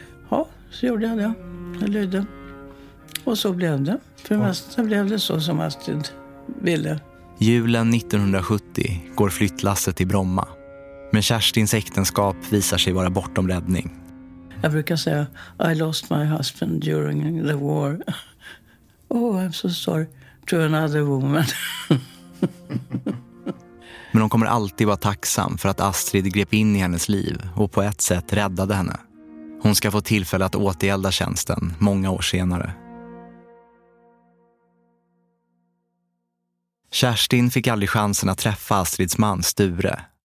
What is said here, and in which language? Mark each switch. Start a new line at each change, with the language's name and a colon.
Swedish: Ja, så gjorde jag det. Jag lydde. Och så blev det. För det mesta blev det så som Astrid ville. Julen 1970 går flyttlasset till Bromma. Men Kerstins äktenskap visar sig vara bortom räddning. Jag brukar säga,
English: I lost my husband during the war. Oh, I'm so sorry to another woman.
Swedish: Men hon kommer alltid vara tacksam för att Astrid grep in i hennes liv och på ett sätt räddade henne. Hon ska få tillfälle att återgälda tjänsten många år senare. Kerstin fick aldrig chansen att träffa Astrids man Sture.